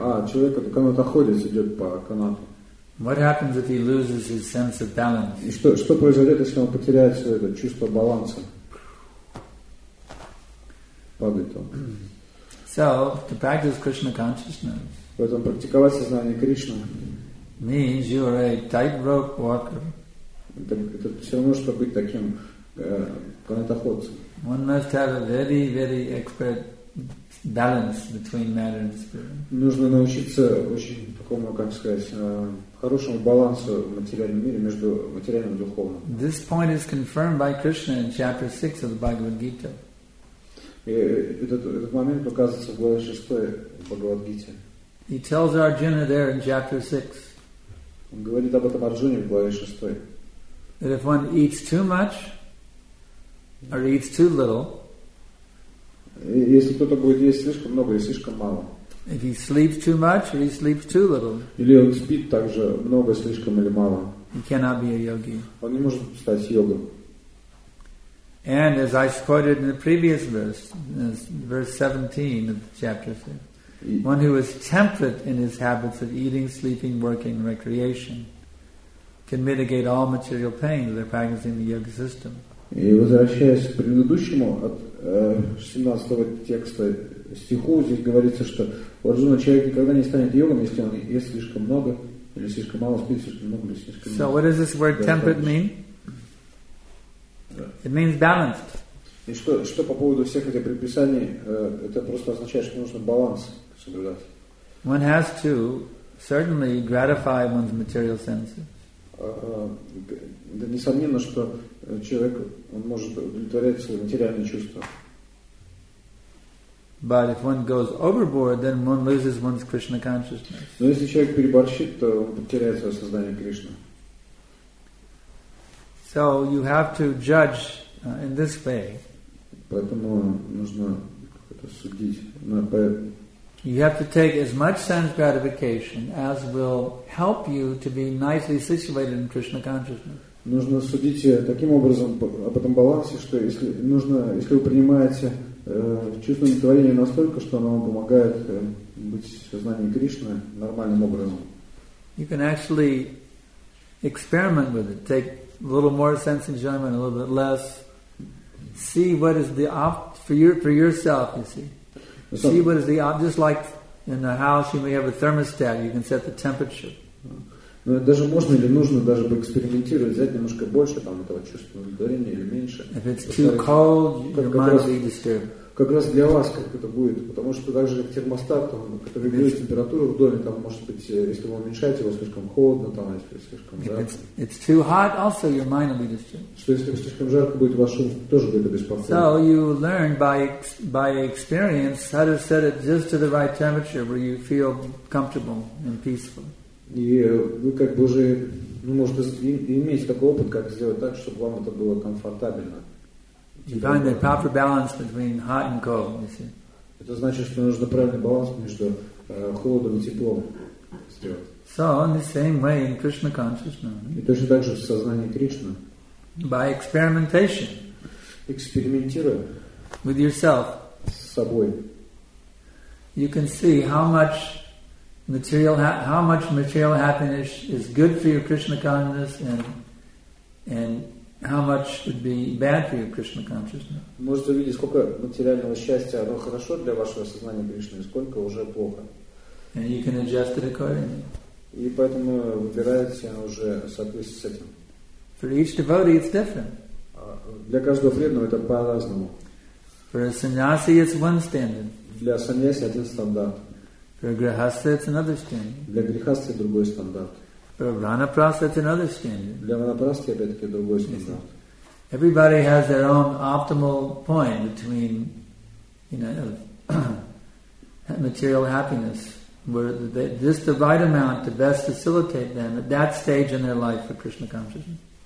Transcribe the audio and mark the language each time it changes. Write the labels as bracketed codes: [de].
[ru] Человек, это канат ходит, идет по канату. [en] What happens if he loses his sense of balance? [ru] И что произойдет, если он потеряет все это чувство баланса? Падает он. [en] So to practice Krishna consciousness. [ru] Поэтому практиковать сознание Кришны. [en] Means you are a tightrope walker. [ru] Это все равно, что быть таким. [en] One must have a very, very expert balance between matter and spirit. [ru] Нужно научиться очень такому, как сказать, хорошему балансу в материальном мире между материальным и духовным. [en] This point is confirmed by Krishna in chapter 6 of the Bhagavad Gita. [ru] Этот момент показывается в главе 6 Бхагавад Гите. [en] He tells Arjuna there in chapter 6. [ru] Он говорит об этом Арджуне в главе 6. [en] That if one eats too much or eats too little, [ru] если кто-то будет есть слишком много или слишком мало, [en] if he sleeps too much or he sleeps too little, [ru] или он спит также много, слишком или мало, [en] he cannot be a yogi. [ru] Он не может стать йогом. [en] And as I quoted in the previous verse 17 of chapter 6, one who is temperate in his habits of eating, sleeping, working, and recreation can mitigate all material pain by practicing the yoga system. [ru] И возвращаясь к предыдущему от 17 текста стиху, здесь говорится, что у Арджуны человек никогда не станет йогом, если он ест слишком много или слишком мало, спит слишком много или слишком мало. [en] So what does this word temperate mean? It means balanced. [ru] И что по поводу всех этих предписаний, это просто означает, что нужно баланс соблюдать. [en] One has to certainly gratify one's material senses. [ru] Да, несомненно, что человек он может удовлетворять свои материальные чувства. [en] But if one goes overboard, then one loses one's Krishna consciousness. [ru] Но если человек переборщит, то он потеряет свое сознание Кришны. [en] So you have to judge in this way. [ru] Поэтому нужно как-то судить. [en] You have to take as much sense gratification as will help you to be nicely situated in Krishna consciousness. [ru] Нужно судить таким образом об этом балансе, что если вы принимаете чувство удовлетворения настолько, что оно вам помогает быть в сознании Кришны нормальным образом. [en] You can actually experiment with it. Take a little more sense enjoyment, a little bit less. See what is the for yourself, you see. See what is the just like in a house you may have a thermostat, you can set the temperature. [ru] Ну, даже можно или нужно даже бы экспериментировать, взять немножко больше там этого чувства удовлетворения или меньше. [en] If it's too cold, your mind will be disturbed. [ru] Как раз для вас как это будет, потому что даже термостат, там, который регулирует температуру в доме, там может быть, если вы уменьшаете, его слишком холодно, там, если слишком жарко. [en] It's too hot, also your mind will be disturbed. [ru] Что если слишком жарко будет, ваш ум тоже будет беспокоен. [en] So you learn by experience how to set it just to the right temperature where you feel comfortable and peaceful. [ru] И вы как бы уже можете иметь такой опыт, как сделать так, чтобы вам это было комфортабельно. [en] You find the proper balance between hot and cold, you see. [ru] Это значит, что нужно правильный баланс между холодом и теплом сделать. [en] So, in the same way in Krishna consciousness. [ru] И точно так же в сознании Кришны. [en] By experimentation. [ru] Экспериментируя. [en] With yourself. [ru] С собой. [en] You can see how much material happiness is good for your Krishna consciousness and how much would be bad for your Krishna consciousness. [ru] Можете увидеть, сколько материального счастья оно хорошо для вашего сознания Кришны, сколько уже плохо. [en] And you can adjust it accordingly. [ru] И поэтому выбираете уже в соответствии с этим. [en] For each devotee it's different. [ru] Для каждого преданного это по-разному. [en] For a sannyasi it's one standard. [ru] Для саньяси один стандарт. [en] For a grihastha it's another standard. [ru] Для грехастха другой стандарт. [en] For a vanaprastha it's another standard. [ru] Для ванапрасты опять-таки другой стандарт. [en] Everybody has their own optimal point between, you know, material happiness, where just the right amount to best facilitate them at that stage in their life for Krishna consciousness.